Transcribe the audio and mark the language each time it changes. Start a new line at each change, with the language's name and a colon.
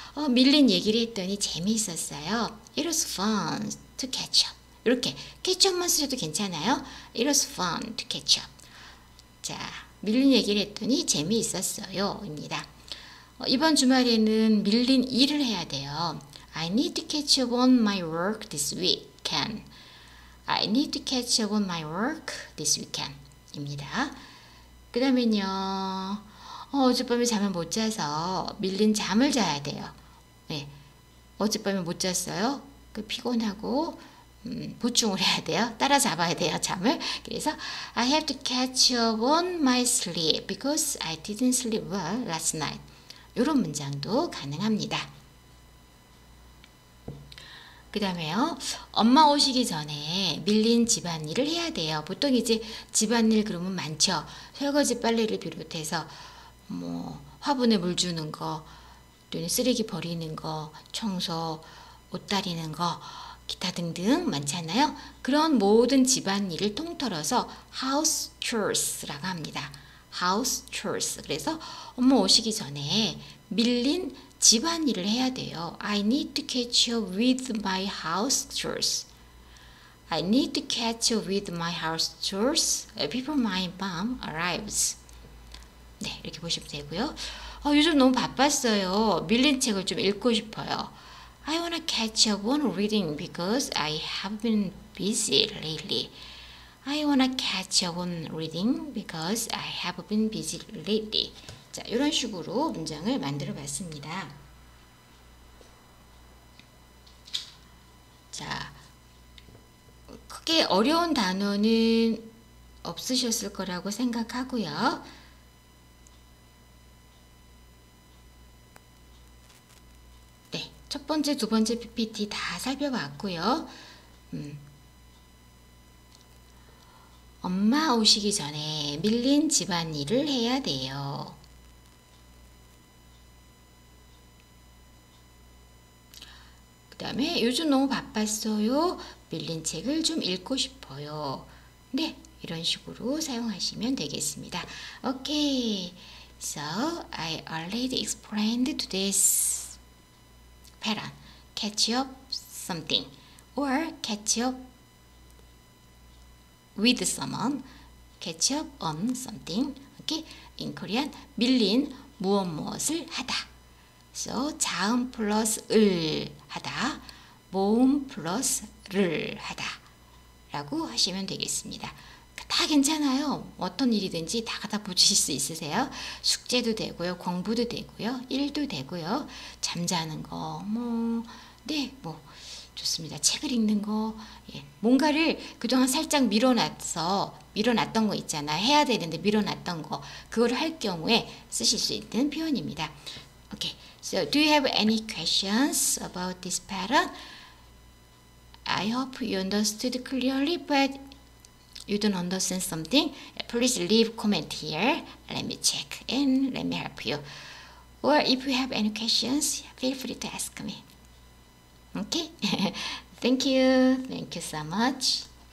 Korean: 밀린 얘기를 했더니 재미있었어요.
English: It was fun to catch up.
Korean: 이렇게 catch up만 쓰셔도 괜찮아요.
English: It was fun to catch up.
Korean: 자, 밀린 얘기를 했더니 재미있었어요. 입니다. 이번 주말에는 밀린 일을 해야 돼요.
English: I need to catch up on my work this weekend. I need to catch up on my work this weekend.
Korean: 입니다. 그 다음엔요. 어젯밤에 잠을 못 자서 밀린 잠을 자야 돼요. 네. 어젯밤에 못 잤어요. 그 피곤하고 보충을 해야 돼요. 따라잡아야 돼요. 잠을. 그래서
English: I have to catch up on my sleep because I didn't sleep well last night.
Korean: 이런 문장도 가능합니다. 그 다음에요. 엄마 오시기 전에 밀린 집안일을 해야 돼요. 보통 이제 집안일 그러면 많죠. 설거지 빨래를 비롯해서 뭐 화분에 물 주는 거, 또는 쓰레기 버리는 거, 청소, 옷 다리는 거, 기타 등등 많지 않나요? 그런 모든 집안일을 통틀어서 house chores라고 합니다.
English: house chores.
Korean: 그래서 엄마 오시기 전에 밀린 집안일을 해야 돼요.
English: I need to catch up with my house chores. I need to catch up with my house chores before my mom arrives.
Korean: 네, 이렇게 보시면 되고요. 요즘 너무 바빴어요. 밀린 책을 좀 읽고 싶어요.
English: I want to catch up on reading because I have been busy lately. I want to catch up on reading because I have been busy lately.
Korean: 자, 이런 식으로 문장을 만들어 봤습니다. 자, 크게 어려운 단어는 없으셨을 거라고 생각하고요. 네, 첫 번째, 두 번째 PPT 다 살펴봤고요. 엄마 오시기 전에 밀린 집안일을 해야 돼요. 그 다음에 요즘 너무 바빴어요. 밀린 책을 좀 읽고 싶어요. 네, 이런 식으로 사용하시면 되겠습니다.
English: 오케이, so I already explained to this pattern. Catch up something or catch up with someone, catch up on something. Okay? In Korean,
Korean: 밀린 무엇 무엇을 하다. So, 자음 플러스 을 하다, 모음 플러스 를 하다 라고 하시면 되겠습니다. 다 괜찮아요. 어떤 일이든지 다 갖다 붙이실 수 있으세요. 숙제도 되고요, 공부도 되고요, 일도 되고요, 잠자는 거, 뭐, 네, 뭐, 좋습니다. 책을 읽는 거, 예. 뭔가를 그동안 살짝 밀어놨던 거 있잖아. 해야 되는데 밀어놨던 거, 그걸 할 경우에 쓰실 수 있는 표현입니다.
English: Okay. So, do you have any questions about this pattern? I hope you understood clearly, but you don't understand something. Please leave comment here. Let me check and let me help you. Or if you have any questions, feel free to ask me. Okay? Thank you. Thank you so much.